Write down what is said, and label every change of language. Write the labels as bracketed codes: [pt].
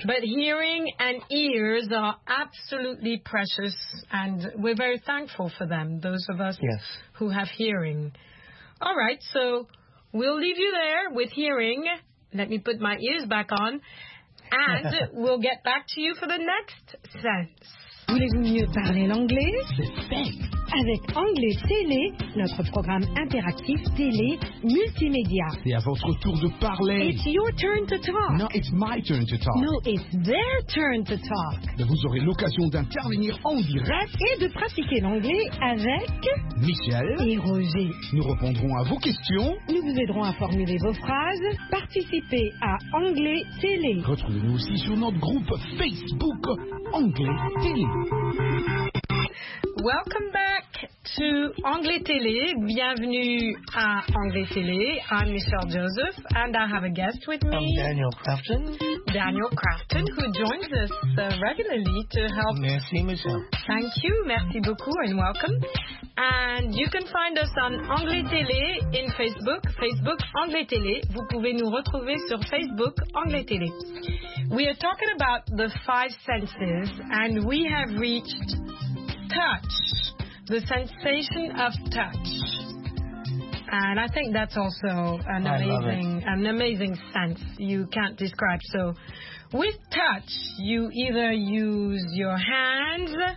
[en] But hearing and ears are absolutely precious, and we're very thankful for them, those of us yes. who have hearing. All right, so we'll leave you there with hearing. Let me put my ears back on. And we'll get back to you for the next sense. [fr] Voulez-vous mieux parler l'anglais? C'est avec Anglais Télé, notre programme interactif télé multimédia. C'est à votre tour de parler. [en] It's your turn to talk. No, it's my turn to talk. No, it's their turn to talk. [fr] Mais vous aurez l'occasion d'intervenir en direct et de pratiquer l'anglais avec Michel et Roger. Nous répondrons à vos questions. Nous vous aiderons à formuler vos phrases. Participez à Anglais Télé. Retrouvez-nous aussi sur notre groupe Facebook Anglais Télé. [en] Welcome back to Anglais Télé. [fr] Bienvenue à Anglais Télé. [en] I'm Michelle Joseph, and I have a guest with me. I'm Daniel Crafton. Daniel Crafton, who joins us regularly to help. [fr] Merci, Michelle. [en] Thank you. [fr] Merci beaucoup, [en] and welcome. And you can find us on Anglais Télé in Facebook. [fr] Facebook Anglais Télé. Vous pouvez nous retrouver sur Facebook Anglais Télé. [en] We are talking about the five senses, and we have reached touch, the sensation of touch. And I think that's also an amazing sense you can't describe. So with touch, you either use your hands